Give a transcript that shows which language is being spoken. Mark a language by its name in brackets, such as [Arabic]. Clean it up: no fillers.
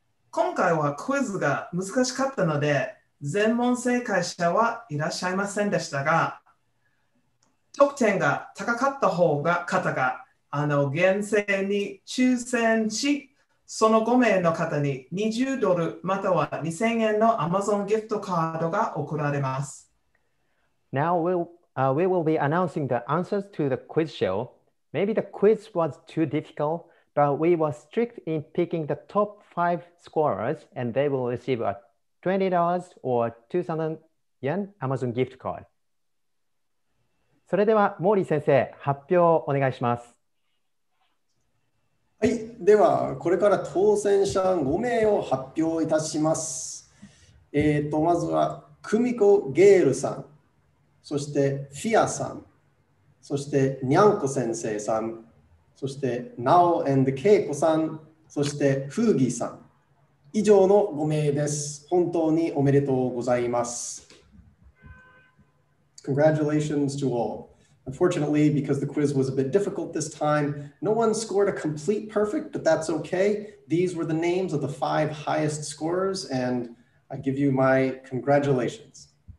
[Japanese] 今回はクイズが難しかったので全問正解者はいらっしゃいませんでしたが、得点が高かった方が厳正に抽選し、その5名の方に20ドルまたは2000円の Amazon ギフトカードが送られます。 [English] Now we will be announcing the answers to the quiz show. Maybe the quiz was too difficult, but we were strict in picking the top 5 scorers and they will receive a $20 or 2000 yen Amazon gift card. [Japanese] それではモーリー先生、発表をお願いします。はい、ではこれから当選者5名を発表いたします。まずはクミコ・ゲールさん、そしてフィアさん、そしてニャンコ先生さん、そしてナオ・エンド・ケイコさん、そしてフーギーさん、以上の5名です。本当におめでとうございます。 [English] Congratulations to allUnfortunately, because the quiz was a bit difficult this time, no one scored a complete perfect, but that's okay. These were the names of the 5 highest scorers, and I give you my congratulations.